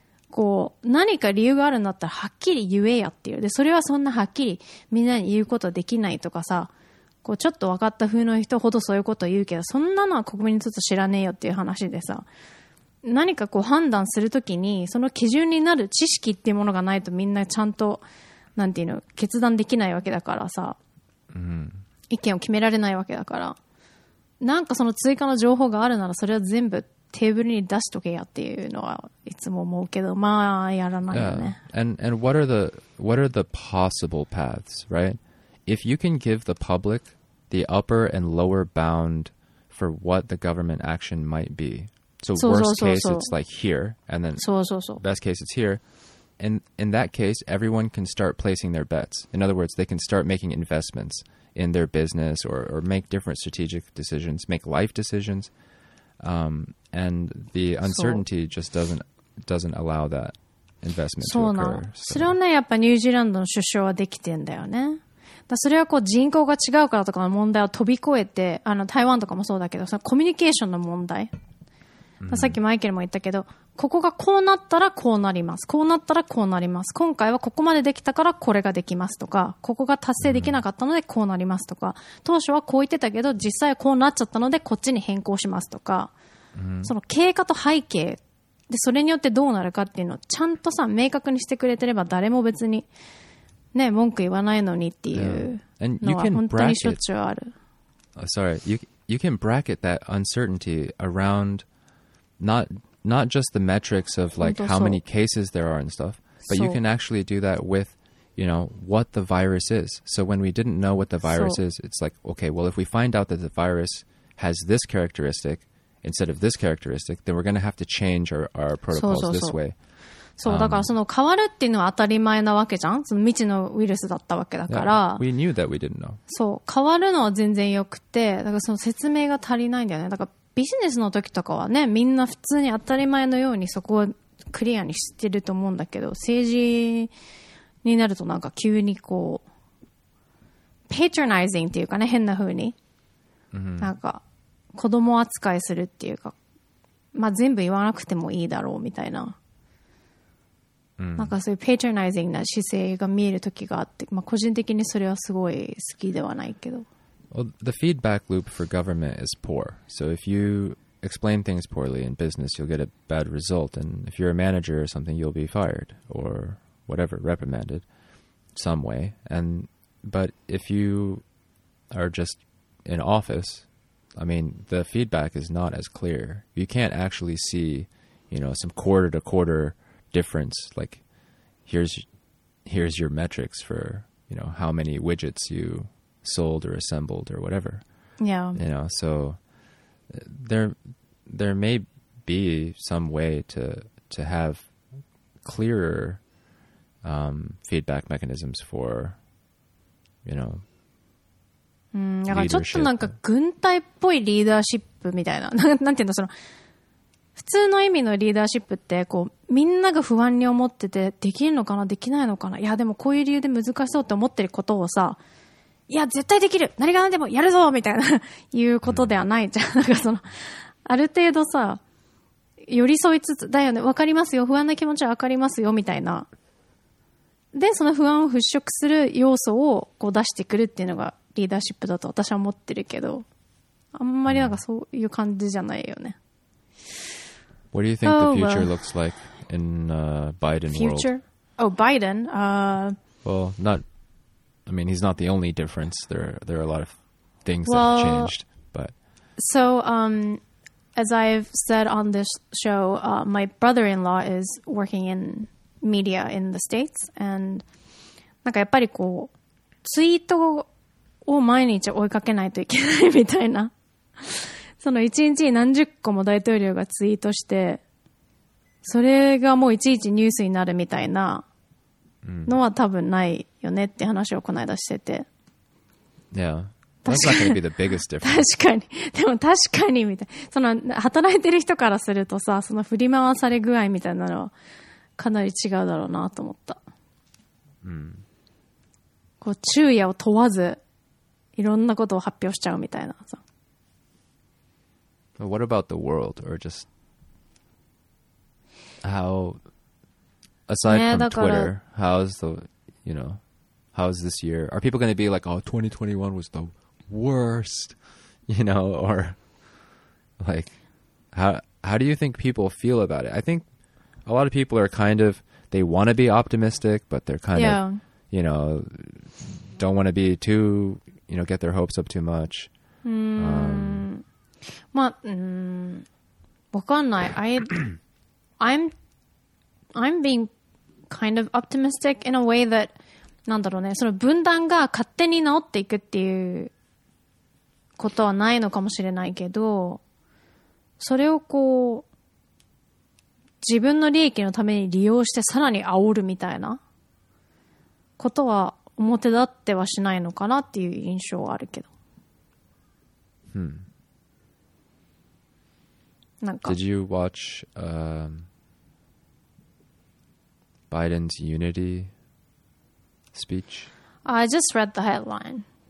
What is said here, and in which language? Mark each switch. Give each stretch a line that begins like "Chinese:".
Japanese: こう何か理由があるんだったらはっきり言えやっていう。でそれはそんなはっきりみんなに言うことできないとかさ、こうちょっと分かった風の人ほどそういうこと言うけど、そんなのは国民にとって知らねえよっていう話でさ、何かこう判断するときにその基準になる知識っていうものがないと、みんなちゃんとなんていうの、決断できないわけだからさ、うん、意見を決められないわけだから、なんかその追加の情報があるならそれは全部テーブルに出しとけやっていうのはいつも思うけど、まあやらないよね。
English: Yeah. And what are the possible paths, right? If you can give the public the upper and lower bound for what the government action might be, so worst case it's like here, and then best case it's here, and in that case everyone can start placing their bets. In other words, they can start making investments in their business or make different strategic decisions, make life decisions. And the uncertainty just doesn't allow that investment to occur.
Japanese: それをね、やっぱニュージーランドの首相はできてんだよね。だそれはこう人口が違うからとかの問題を飛び越えて、あの台湾とかもそうだけど、そのコミュニケーションの問題。さっきマイケルも言ったけど、ここがこうなったらこうなります。こうなったらこうなります。今回はここまでできたからこれができますとか、ここが達成できなかったのでこうなりますとか、当初はこう言ってたけど、実際はこうなっちゃったのでこっちに変更しますとか、その経過と背景で、それによってどうなるかっていうのをちゃんとさ、明確にしてくれてれば、誰も別にね、文句言わないのにっていうのは本当にしょっちゅうある。
English: Sorry, you can bracket that uncertainty aroundNot just the metrics of like how many cases there are and stuff, but you can actually do that with, you know, what the virus is. So when we didn't know what the virus is, it's like, okay, well, if we find out that the virus has this characteristic instead of this characteristic, then we're going to have to change our protocols this way.
Japanese: そう、だからその変わるっていうのは当たり前なわけじゃん。その未知のウイルスだったわけだから。
English: Yeah, we knew that we didn't know.
Japanese: そう、変わるのは全然よくて、だからその説明が足りないんだよね。だからビジネスの時とかはね、みんな普通に当たり前のようにそこをクリアにしてると思うんだけど、政治になるとなんか急にこう、patronizing っていうかね、変な風に、 mm-hmm. なんか子供扱いするっていうか、まあ全部言わなくてもいいだろうみたいな、 mm-hmm. なんかそういう patronizing な姿勢が見える時があって、まあ個人的にそれはすごい好きではないけど。
English: Well, the feedback loop for government is poor. So if you explain things poorly in business, you'll get a bad result. And if you're a manager or something, you'll be fired or whatever, reprimanded some way. But if you are just in office, I mean, the feedback is not as clear. You can't actually see, you know, some quarter to quarter difference. Like, here's your metrics for, you know, how many widgets you... sold or assembled or whatever. Yeah. You know, so there may be some way to have clearer feedback mechanisms for, you know,
Japanese: だからちょっとなんか軍隊っぽいリーダーシップみたいな。なんていうんだ、その、普通の意味のリーダーシップってこうみんなが不安に思っててできるのかなできないのかな、いやでもこういう理由で難しそうって思ってることをさ、いや絶対できる、何が何でもやるぞみたいないうことではないじゃん、うん、なんかそのある程度さ寄り添いつつだよね、わかりますよ、不安な気持ちはわかりますよみたいな、でその不安を払拭する要素をこう出してくるっていうのがリーダーシップだと私は思ってるけど、あんまりなんかそういう感じじゃないよね。
English: What do you think the future looks like in Biden future? World? Oh, Biden. Well, not. I mean, he's not the only difference. There are a lot of things that have changed. But so, as I've said on this show, my brother-in-law is working in media in the States, and
Japanese: なんかやっぱりこうツイートを毎日追いかけないといけないみたいな。その一日に何十個も大統領がツイートして、それがもういちいちニュースになるみたいなのは多分ないよねって話をこの間してて。
English: Yeah, that's not going to be the biggest difference.
Japanese: 確かに。でも確かにみたいな。その働いてる人からするとさ、その振り回され具合みたいなのはかなり違うだろうなと思った。 Mm. こう昼夜を問わずいろんなことを発表しちゃうみたいなさ。
English: What about the world, or just how, aside from Twitter, how's the, you know, how's this year? Are people going to be like, oh, 2021 was the worst, you know, or like, how do you think people feel about it? I think a lot of people are kind of, they want to be optimistic, but they're kind of, you know, don't want to be too, you know, get their hopes up too much.
Japanese: まあ、わかんない。
English: I'm being kind of optimistic in a way that,
Japanese: なんだろうね、その分断が勝手に治っていくっていうことはないのかもしれないけど、それをこう、自分の利益のために利用してさらに煽るみたいなことは表立ってはしないのかなっていう印象はあるけど。うん。
English: Did you watch Biden's unity speech? I just read the headline.